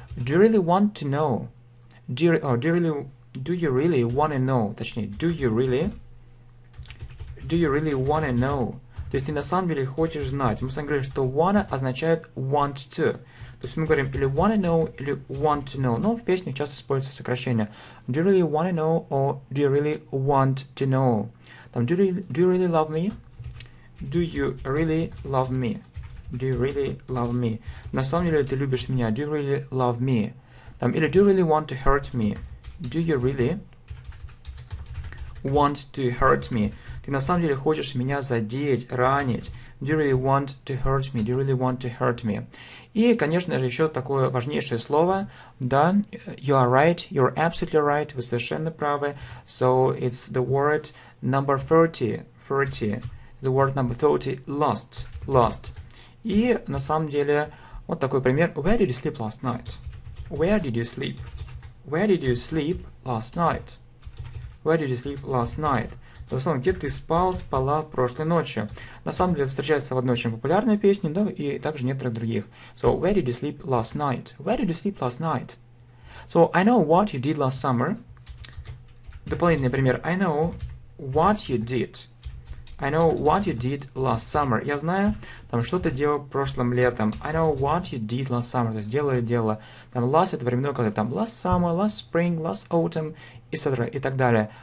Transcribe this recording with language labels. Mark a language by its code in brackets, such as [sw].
[en] Do you really want to know? Do you really want to know? Точнее, do you really? Do you really want to know? [ru] То есть, ты на самом деле хочешь знать. Мы с вами говорим, что wanna означает want to. То есть мы говорим или wanna know, или want to know. Но в песнях часто используется сокращение. [en] Do you really wanna know or do you really want to know? Там, do you really love me? Do you really love me? Do you really love me? [ru] На самом деле ты любишь меня. [en] Do you really love me? Там, или do you really want to hurt me? Do you really want to hurt me? [ru] Ты на самом деле хочешь меня задеть, ранить. [en] Do you really want to hurt me? Do you really want to hurt me? [ru] И, конечно же, еще такое важнейшее слово, да, [en] you are right, you're absolutely right, [ru] вы совершенно правы, [en] so it's the word number 30, the word number 30, lost. [ru] И, на самом деле, вот такой пример, [en] where did you sleep last night? Where did you sleep? Where did you sleep last night? Where did you sleep last night? [ru] В основном, где ты спала прошлой ночью. На самом деле, встречается в одной очень популярной песне, да, и также в некоторых других. [en] So, where did you sleep last night? Where did you sleep last night? So, I know what you did last summer. [ru] Дополнительный пример. [en] I know what you did. I know what you did last summer. [ru] Я знаю, там, что ты делал прошлым летом. [en] I know what you did last summer. [ru] То есть, дело. Там, [en] last — [ru] это временной когда там, [en] last summer, last spring, last autumn, etc. [ru] и так далее.